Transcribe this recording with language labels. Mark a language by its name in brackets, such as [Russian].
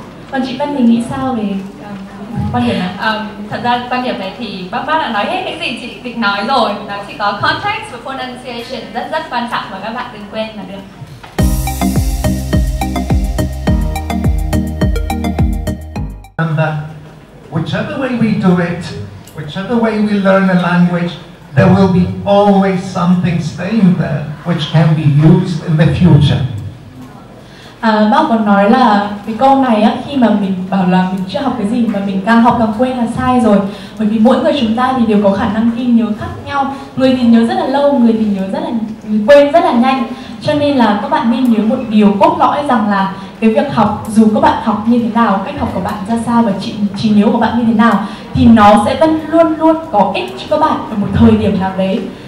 [Vietnamese] Còn chị Vân thì nghĩ sao về quan điểm này? Thật ra quan điểm này thì bác đã nói hết cái gì chị định nói rồi. Nó chỉ có context và pronunciation rất rất quan trọng mà các bạn đừng quên là được. [English] Remember, whichever way we do it, whichever way we learn a language, there will be always something staying there which can be used in the future. [Vietnamese] Bác còn nói là cái câu này á, khi mà mình bảo là mình chưa học cái gì mà mình càng học càng quên là sai rồi. Bởi vì mỗi người chúng ta thì đều có khả năng ghi nhớ khác nhau. Người thì nhớ rất là lâu, người thì nhớ rất là quên rất là nhanh. Cho nên là các bạn nên nhớ một điều cốt lõi rằng là cái việc học, dù các bạn học như thế nào, cách học của bạn ra sao và trí nhớ của bạn như thế nào, thì nó sẽ vẫn luôn luôn có ích cho các bạn ở một thời điểm nào đấy.